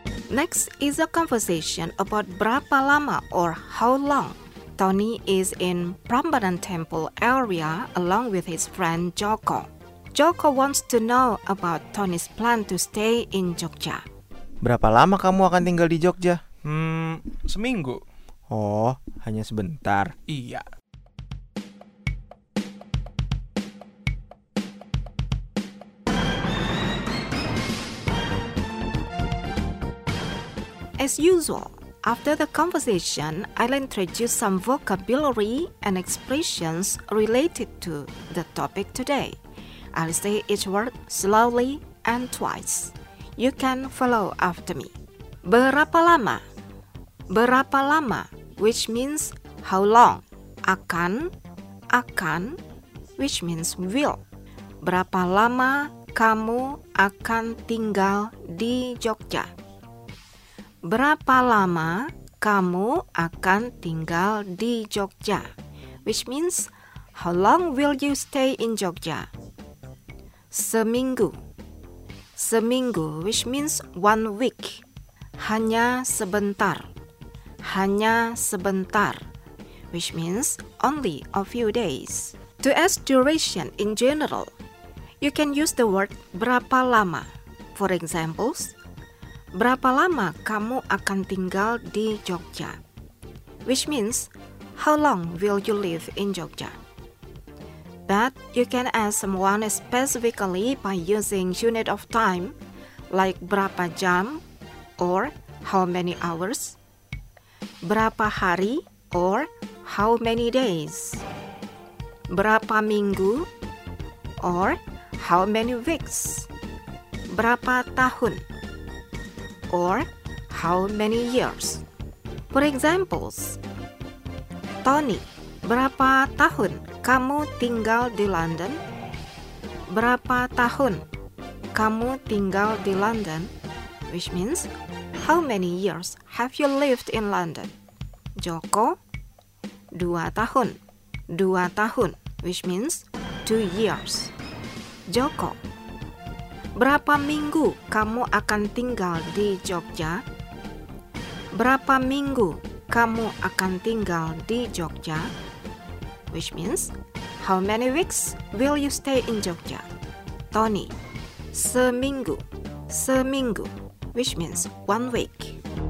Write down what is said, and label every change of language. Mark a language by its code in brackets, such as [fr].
[en] Next is a conversation about [id] berapa lama [en] or how long. Tony is in Prambanan Temple area along with his friend Joko. Joko wants to know about Tony's plan to stay in Jogja. [id] Berapa lama kamu akan tinggal di Jogja? Seminggu. Oh, hanya sebentar. Iya. [en] As usual, after the conversation, I'll introduce some vocabulary and expressions related to the topic today. I'll say each word slowly and twice. You can follow after me. [id] Berapa lama? Berapa lama, [en] which means how long. [id] Akan, akan, [en] which means will. [id] Berapa lama kamu akan tinggal di Jogja? Berapa lama kamu akan tinggal di Jogja? [en] Which means, how long will you stay in Jogja? [id] Seminggu. [en] Seminggu, which means one week. [id] Hanya sebentar. Hanya sebentar. [en] Which means, only a few days. To ask duration in general, you can use the word [id] berapa lama. [en] For examples, [id] berapa lama kamu akan tinggal di Jogja? [en] Which means, how long will you live in Jogja? But you can ask someone specifically by using unit of time, like [id] berapa jam [en] or how many hours, [id] berapa hari [en] or how many days, [id] berapa minggu [en] or how many weeks, [id] berapa tahun, [en] or how many years. For examples, [id] Tony, berapa tahun kamu tinggal di London? Berapa tahun kamu tinggal di London? [en] Which means, how many years have you lived in London? Joko, [id] 2 tahun. 2 tahun, [en] which means 2 years. [id] Joko, berapa minggu kamu akan tinggal di Jogja? Berapa minggu kamu akan tinggal di Jogja? [en] Which means, how many weeks will you stay in Jogja? Tony, [id] seminggu. Seminggu, [en] which means 1 week.